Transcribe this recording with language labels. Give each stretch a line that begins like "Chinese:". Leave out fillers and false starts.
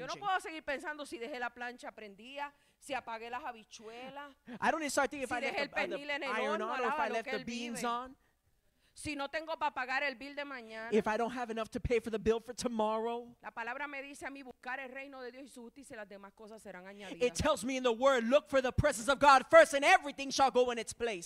Spanish: Yo no puedo seguir pensando si dejé la plancha prendida, si apagué las habichuelas.
English: I don't even start thinking
Spanish: si
English: if I left the iron on, or if I left the beans on.
Spanish: Si no tengo para pagar el bill de mañana.
English: If I don't have enough to pay for the bill for tomorrow.
Spanish: La palabra me dice a mí buscar el reino de Dios y su justicia y las demás cosas serán añadidas.
English: It tells me in the word, look for the presence of God first and everything shall go in its place.